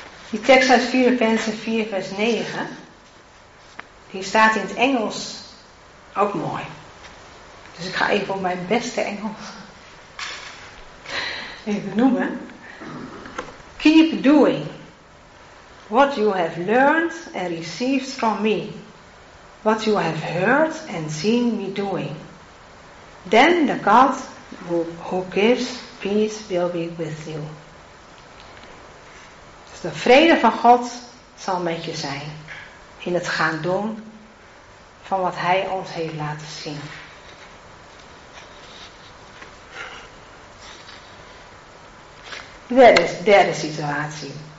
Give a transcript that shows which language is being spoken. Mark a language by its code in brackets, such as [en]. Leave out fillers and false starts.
[nl] Die tekst uit Filippenzen 4 vers 9, die staat in het Engels ook mooi. Dus ik ga even op mijn beste Engels even noemen. [en] Keep doing what you have learned and received from me. What you have heard and seen me doing. Then the God who gives peace will be with you. [nl] Dus de vrede van God zal met je zijn. In het gaan doen van wat hij ons heeft laten zien. Derde situatie.